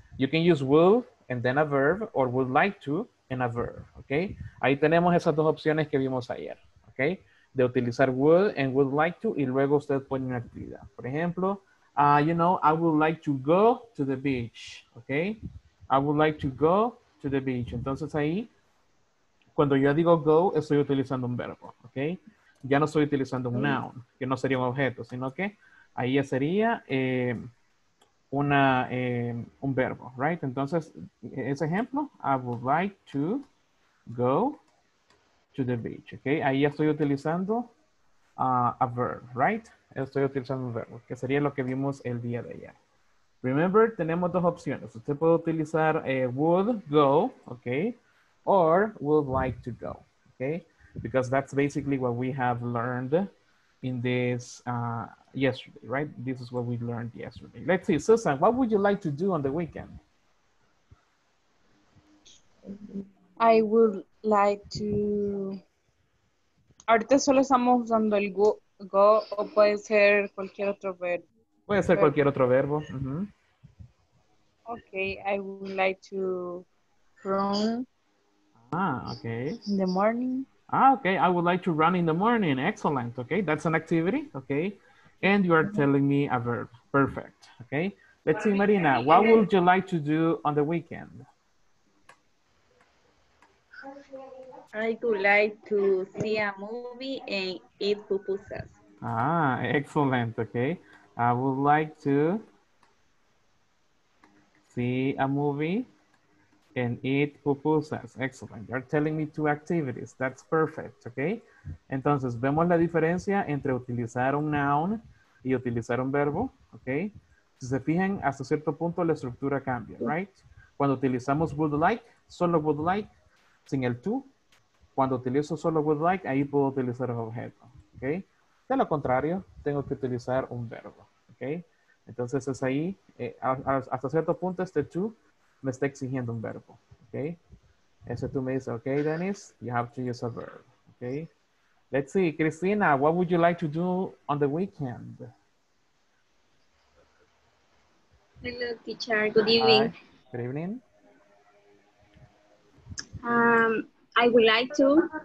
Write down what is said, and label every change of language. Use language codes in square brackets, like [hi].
[en] You can use will and then a verb, or would like to and a verb, okay? [es] Ahí tenemos esas dos opciones que vimos ayer, okay? De utilizar will and would like to, y luego usted pone una actividad. Por ejemplo, [en] you know, I would like to go to the beach, okay? I would like to go to the beach. [es] Entonces ahí, cuando yo digo go, estoy utilizando un verbo, okay? Ya no estoy utilizando un noun, que no sería un objeto, sino que ahí ya sería un verbo, right? Entonces, ese ejemplo, [en] I would like to go to the beach, okay? [es] Ahí ya estoy utilizando [en] a verb, [es] right? Estoy utilizando un verbo, que sería lo que vimos el día de ayer. Remember, tenemos dos opciones. Usted puede utilizar [en] would go, okay, or would like to go, okay? Because that's basically what we have learned in this yesterday, right? This is what we learned yesterday. Let's see, Susan, what would you like to do on the weekend? I would like to... [es] Ahorita solo estamos usando el go, o puede ser cualquier otro verbo. Puede ser cualquier otro verbo. Uh-huh. [en] Okay, I would like to run in the morning. Ah, okay, I would like to run in the morning. Excellent, okay, that's an activity, okay? And you are telling me a verb, perfect, okay? Let's see, Marina, what would you like to do on the weekend? I would like to see a movie and eat pupusas. Ah, excellent, okay. I would like to see a movie and eat pupusas. Excellent. You're telling me two activities. That's perfect, okay? [es] Entonces, vemos la diferencia entre utilizar un noun y utilizar un verbo, okay? Si se fijan, hasta cierto punto la estructura cambia, right? Cuando utilizamos would like, solo would like, sin el to. Cuando utilizo solo would like, ahí puedo utilizar el objeto, okay? De lo contrario, tengo que utilizar un verbo, okay? Entonces es ahí, hasta cierto punto este tú me está exigiendo un verbo, ¿ok? Ese tú me dice, [en] ok, Dennis, you have to use a verb, ¿ok? Let's see, Cristina, what would you like to do on the weekend? Hello, teacher, good evening. Hi. Good evening. I would like to...